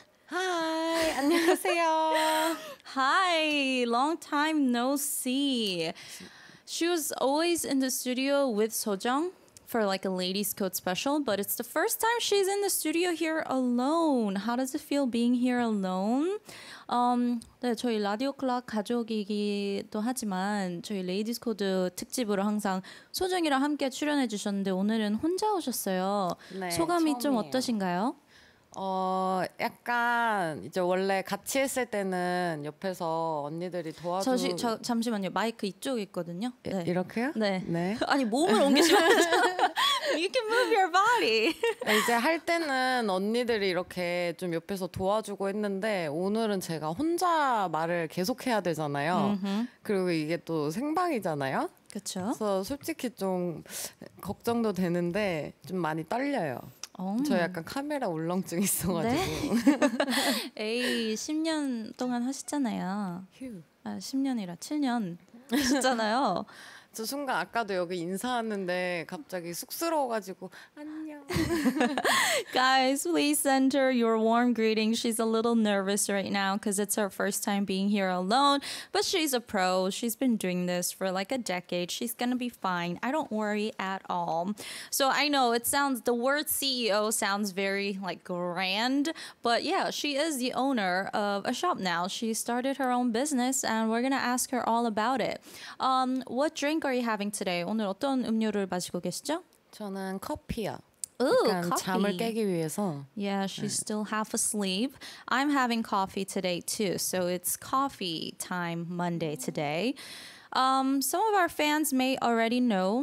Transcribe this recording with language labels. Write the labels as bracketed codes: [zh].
[en] Hi! [ko] 안녕하세요! [en] Hi! Long time no see. She was always in the studio with Sojung for like a Ladies Code special, but it's the first time she's in the studio here alone. How does it feel being here alone? [ko] 네, 저희 라디오 클럭 가족이기도 하지만 저희 레이디스 코드 특집으로 항상 소정이랑 함께 출연해 주셨는데 오늘은 혼자 오셨어요. 네, 소감이 처음이에요. 좀 어떠신가요? 약간 이제 원래 같이 했을 때는 옆에서 언니들이 도와주고 잠시만요. 마이크 이쪽에 있거든요. 네. 이렇게요? 네. 네. 아니 몸을 옮기시면 [en] You can move your body. [ko] 이제 할 때는 언니들이 이렇게 좀 옆에서 도와주고 했는데 오늘은 제가 혼자 말을 계속 해야 되잖아요. Mm-hmm. 그리고 이게 또 생방이잖아요. 그렇죠. 그래서 솔직히 좀 걱정도 되는데 좀 많이 떨려요. 저 약간 카메라 울렁증 있어가지고. 네? 에이, 10년 동안 하셨잖아요. 아, 10년이라 7년 하셨잖아요. 저 순간 아까도 여기 인사하는데 갑자기 쑥스러워가지고 안녕. [en] Guys, please send her your warm greeting. She's a little nervous right now because it's her first time being here alone. But she's a pro. She's been doing this for like a decade. She's gonna be fine. I don't worry at all. So I know it sounds, the word CEO sounds very like grand. But yeah, she is the owner of a shop now. She started her own business and we're gonna ask her all about it. What drink are you having today? [ko] 오늘 어떤 음료를 마시고 계시죠? 저는 커피요. [en] Ooh, [ko] 약간 커피. 잠을 깨기 위해서. [en] Yeah, she's [ko] 네. [en] still half asleep. I'm having coffee today too. So it's coffee time Monday today. Some of our fans may already know.